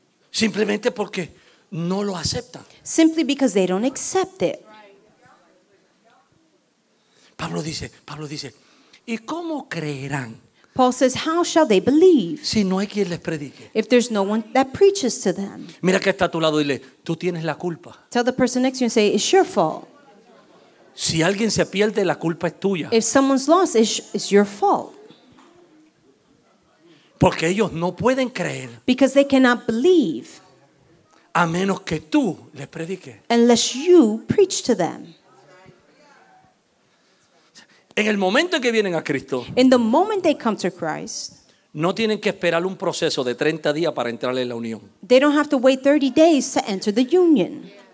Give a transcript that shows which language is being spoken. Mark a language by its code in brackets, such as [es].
[es] Simplemente porque no lo aceptan. [en] Simply because they don't accept it. [es] Pablo dice, ¿y cómo creerán? [en] Paul says, how shall they believe? [es] Si no hay quien les predique. [en] If there's no one that preaches to them. [es] Mira que está a tu lado y dile, tú tienes la culpa. [en] Tell the person next to you and say, it's your fault. [es] Si alguien se pierde, la culpa es tuya. [en] If someone's lost, it's your fault. [es] Porque ellos no pueden creer. [en] Because they cannot believe. [es] A menos que tú les prediques. [en] Unless you preach to them. [es] En el momento en que vienen a Cristo. [en] In the moment they come to Christ. [es] No tienen que esperar un proceso de 30 días para entrar en la unión. [en] They don't have to wait 30 days to enter the union.